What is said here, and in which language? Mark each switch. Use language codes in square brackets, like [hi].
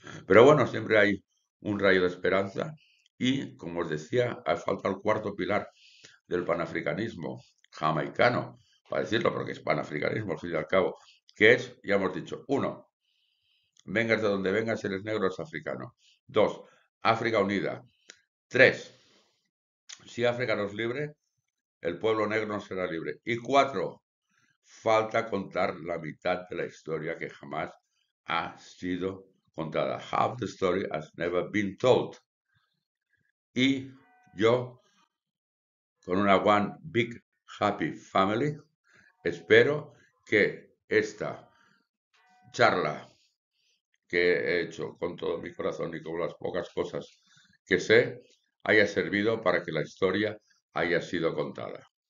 [es] Pero bueno, siempre hay un rayo de esperanza y, como os decía, hace falta el cuarto pilar del panafricanismo jamaicano, para decirlo, porque es panafricanismo, al fin y al cabo, que es, ya hemos dicho, uno, vengas de donde vengas, eres negro, eres africano. Dos, África unida. Tres, si África no es libre, el pueblo negro no será libre. Y cuatro, falta contar la mitad de la historia que jamás ha sido contada. [en] Half the story has never been told. [es] Y yo, con una [en] one big happy family, [es] espero que esta charla que he hecho con todo mi corazón y con las pocas cosas que sé, haya servido para que la historia haya sido contada.